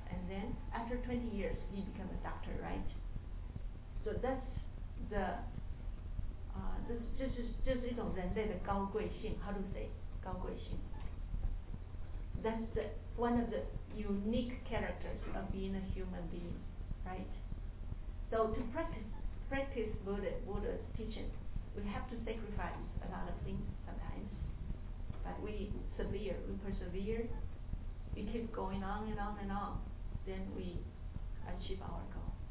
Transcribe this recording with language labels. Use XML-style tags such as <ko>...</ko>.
<en>And then after 20 years, he becomes a doctor, right? So that's the</en> <zh>这是一种人类的高贵性。</zh> <en>How to say 高贵性 ？That's the one of the unique characters of being a human being, right? So to practice Buddha's teaching, we have to sacrifice a lot of things sometimes, but we persevere, we keep going on and on and on, then we achieve our goal.</en>